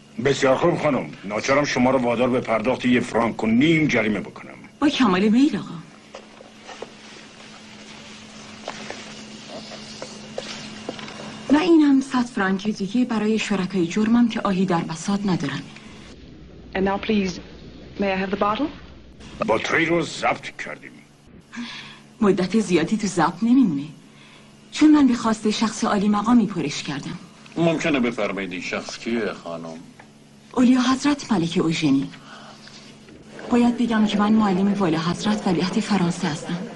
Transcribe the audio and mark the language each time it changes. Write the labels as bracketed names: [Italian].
[Persian] بسیار خوب خانم، ناچارم شما رو وادار به پرداخت 1.5 فرانک جریمه بکنم. با کمال میل آقا. و اینم 100 فرانک دیگه برای شرکای جرمم که آهی در بساط ندارن. [English] And now please, may I have the bottle? [Persian] بطری رو ضبط کردیم. مدت زیادی تو ضبط نمیمونه، چون من به خواست شخص عالی مقامی پرش کردم. ممکنه بفرمایید این شخص کیه خانم؟ اولیا حضرت ملک اوژنی. باید بگم که من معلم والا حضرت ولیعهد فرانسه هستم.